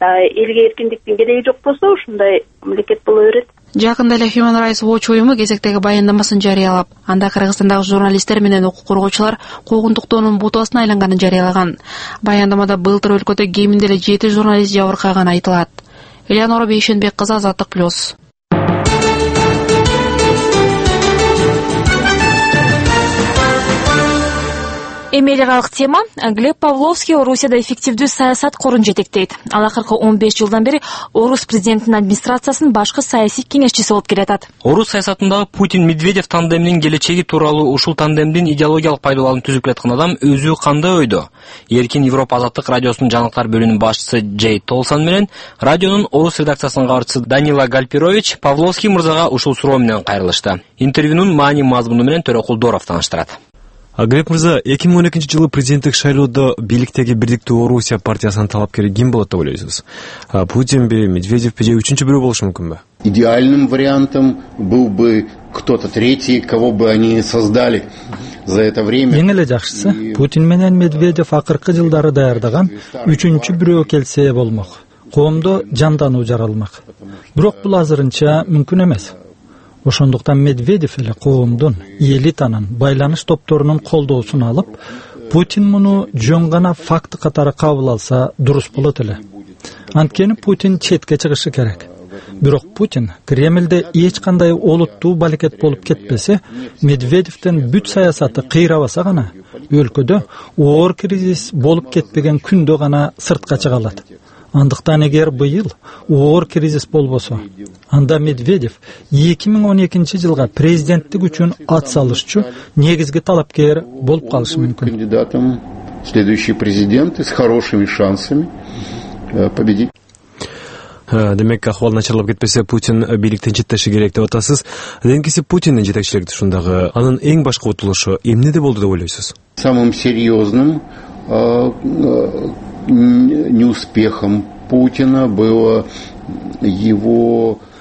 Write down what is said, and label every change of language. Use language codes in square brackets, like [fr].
[ky] Элге эркиндиктин кереги жок болсо ушундай мамлекет боло берет. Жакында эле Human Rights Watch уюму кезектеги баяндамасын жарыялап, анда Кыргызстандагы журналисттер менен укук коргоочулар куугунтуктоонун бутубасына айланганын жарыялаган. Баяндамада былтыр өлкөдө кеминде эле 7 журналист жабыркаган айтылат. Элеонора Бейшенбек кызы, Азаттык Плюс. Эми эле калык тема. Глеб Павловский Орусияда эффективдүү саясат корун жетектейт. Ал акыркы 15 жылдан бери Орус президентинин администрациясынын башкы саясий кеңешчиси болуп келатат. Орус саясатындагы Путин-Медведев тандемнин келечеги тууралуу ушул тандемдин идеологиялык пайдубалын түзүп келаткан адам өзү кандай ойдо? Эркин Европа Азаттык радиосунун жаңылыктар бөлүмүнүн башчысы Джей Толсан менен радионун орус редакциясынын кабарчысы Данила Гальпирович Павловский мырзага ушул суроо менен кайрылышты. Интервьюнун маани мазмуну менен Төрөкул Доров тааныштырат. Глеб мырза, 2012 жылы президенттик шайлоодо бийликтеги бирдиктүү Орусия партиясынын талапкери ким болот деп ойлойсуз? Путинби, Медведевпи же үчүнчү бирөө болушу мүмкүнбү? [ru] Идеальным вариантом был бы кто-то третий, кого бы они создали за это время. [ky] Эң эле жакшысы Путин менен Медведев акыркы жылдары даярдаган үчүнчү бирөө келсе болмок. Коомдо жандануу жаралмак. Бирок бул азырынча мүмкүн эмес. Ошондуктан Медведев эле коомдун, элитанын, байланыш топторунун колдоосун алып, Путин муну жөн гана факт катары кабыл алса дурус болот эле. Анткени Путин четке чыгышы керек. Бирок Путин Кремльде эч кандай олуттуу балекет болуп кетпесе, Медведевтин бүт саясаты кыйрабаса гана, өлкөдө оор кризис болуп кетпеген күндө гана сыртка чыга алат. Андыктан эгер быйыл оор кризис болбосо, анда Медведев 2012 жылга президенттик үчүн ат салышчу негизги талапкер болуп калышы мүмкүн. [ru] Кандидатом следующий президент с хорошими шансами победить. [ky] Демек, ахвал начарлап кетпесе, Путин бийликтен четтеши керек деп атасыз. Деңкеси Путиндин жетекчилиги ушундагы, анын эң башкы утулушу эмнеде болду деп ойлойсуз? [ru] Самым серьезным неуспехом Путина было его...